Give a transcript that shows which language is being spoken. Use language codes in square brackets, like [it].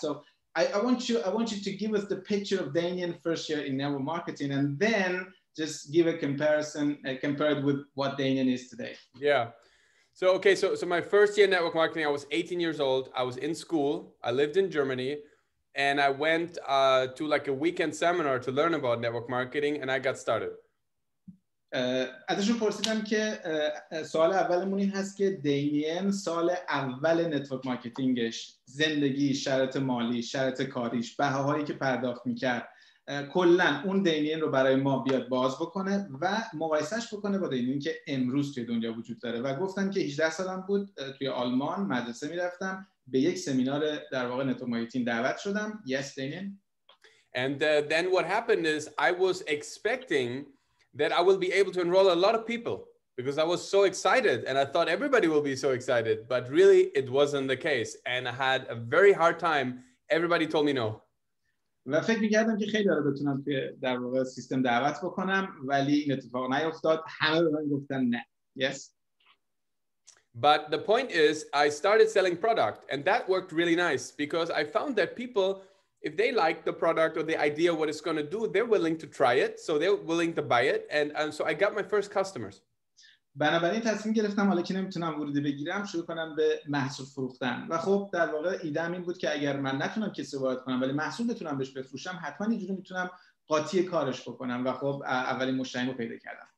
[en] So I want you to give us the picture of Damien's first year in network marketing, and then just give a comparison, compared with what Damien is today. Yeah. So my first year in network marketing, I was 18 years old. I was in school. I lived in Germany. And I went to like a weekend seminar to learn about network marketing, and I got started. [fa] ازشون پرسیدم که سوال اولمون این هست که دینیم سال اول نتورک مارکتینگش، زندگی، شرط مالی، شرط کاریش، بهاهایی که پرداخت میکرد، کلن اون دینیم رو برای ما بیاد باز بکنه و مقایسهش بکنه با دینیم که امروز توی دنیا وجود داره. و گفتن که 18 سالم بود، توی آلمان مدرسه میرفتم، به یک سمینار در واقع نتورک مارکتینگ دعوت شدم. [en] Yes, Damien. And then what happened is I was expecting that I will be able to enroll a lot of people because I was so excited and I thought everybody will be so excited, but really it wasn't the case and I had a very hard time. Everybody told me no. [fa] و فکر می‌کردم که خیلی داره بتونم که در واقع سیستم دعوت بکنم، ولی این اتفاق نیفتاد. همه به من گفتن نه. [en] Yes. But the point is, I started selling product, and that worked really nice because I found that people, if they like the product or the idea of what it's going to do, they're willing to try it, so they're willing to buy it, and so I got my first customers. [fa] بنابراین تصمیم گرفتم حالا که نمیتونم ورودی بگیرم شروع کنم به محصول فروختن. و خب در واقع ایدم این بود که اگر من نتونم کسی وارد کنم ولی محصول بتونم بهش بفروشم، حتما اینجوری میتونم قاطی کارش بکنم. و خب اولین مشتریمو پیدا کردم.